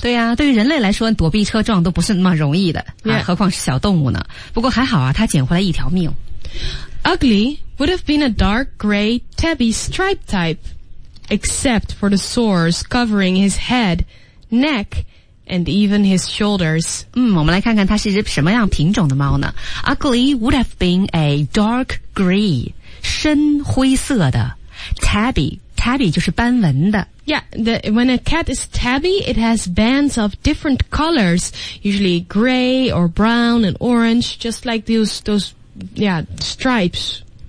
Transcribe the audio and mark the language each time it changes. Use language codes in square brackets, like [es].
[zh] 对啊对于人类来说躲避车撞都不是那么容易的。 [en] Yeah. [zh] 何况是小动物呢。不过还好啊他捡回来一条命。 [en] Ugly would have been a dark gray tabby stripe type, except for the sores covering his head, neck, and even his shoulders. [zh] 我们来看看它是一只什么样品种的猫呢 ? [en] Ugly would have been a dark gray, [zh] 深灰色的 tabby 就是斑纹的。 [en] Yeah, when a cat is tabby, it has bands of different colors, usually gray or brown and orange, just like those Yeah, stripes.